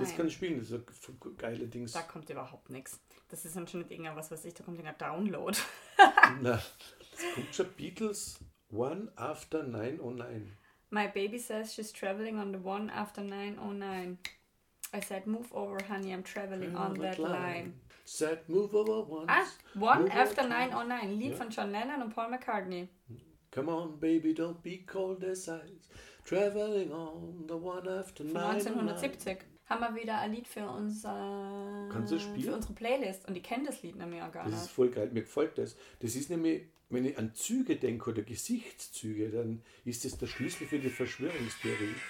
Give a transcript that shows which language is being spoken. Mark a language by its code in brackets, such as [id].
[de] Das kann ich spielen, das ist ein geiles Ding. Da kommt überhaupt nichts. Das ist anscheinend irgendwas, was ich, da kommt irgendein Download. Na, das kommt schon Beatles, one after 909. [en] My baby says she's traveling on the one after 909. I said, move over, honey, I'm traveling on that line. Said, move over once. [de] Ah, one after 909. Lied von John Lennon und Paul McCartney. [en] Come on, baby, don't be cold as ice. Traveling on the one after 1970. [de] Haben wir wieder ein Lied für unsere Playlist. Und ich kenne das Lied nämlich auch gar nicht. Das ist voll geil. Mir gefällt das. Das ist nämlich, wenn ich an Züge denke oder Gesichtszüge, dann ist das der Schlüssel für die Verschwörungstheorie.